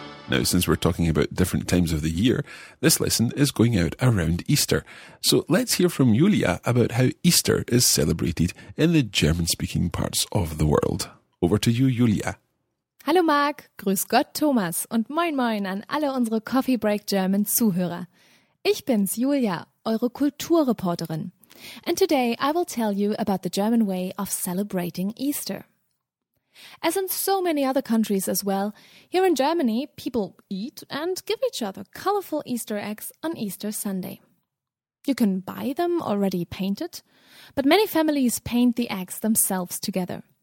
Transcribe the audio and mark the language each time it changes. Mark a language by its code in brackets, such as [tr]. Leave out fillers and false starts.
[en] Now, since we're talking about different times of the year, this lesson is going out around Easter. So let's hear from Julia about how Easter is celebrated in the German-speaking parts of the world. Over to you, Julia. [de] Hallo Marc, grüß Gott Thomas und moin moin an alle unsere Coffee Break German Zuhörer. Ich bin's, Julia, eure Kulturreporterin. [en] And today I will tell you about the German way of celebrating Easter. As in so many other countries as well, here in Germany people eat and give each other colorful Easter eggs on Easter Sunday. You can buy them already painted, but many families paint the eggs themselves together.